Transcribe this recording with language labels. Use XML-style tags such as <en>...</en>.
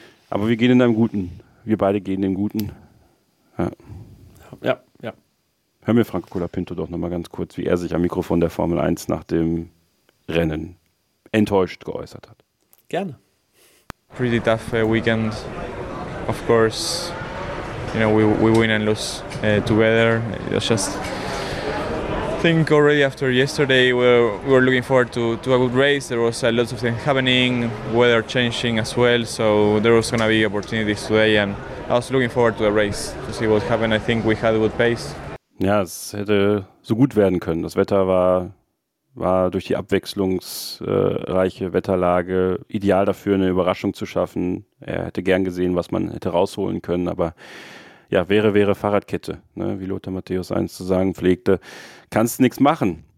<de>Aber wir gehen in einem Guten, wir beide gehen in dem Guten. Ja. Ja. Hör mir Franco Colapinto doch nochmal ganz kurz, wie er sich am Mikrofon der Formel 1 nach dem Rennen enttäuscht geäußert hat. Gerne.</de> <en>Pretty tough weekend. Of course, you know, we win and lose together. It's just, I think already after yesterday, we were looking forward to a good race. There was lots of things happening, weather changing as well. So there was going to be opportunities today and I was looking forward to the race to see what happened. I think we had a good pace.</en> <de>Ja, es hätte so gut werden können. Das Wetter war durch die abwechslungsreiche Wetterlage ideal dafür, eine Überraschung zu schaffen. Er hätte gern gesehen, was man hätte rausholen können. Aber ja, wäre Fahrradkette, ne? Wie Lothar Matthäus einst zu sagen pflegte. Kannst nichts machen.</de>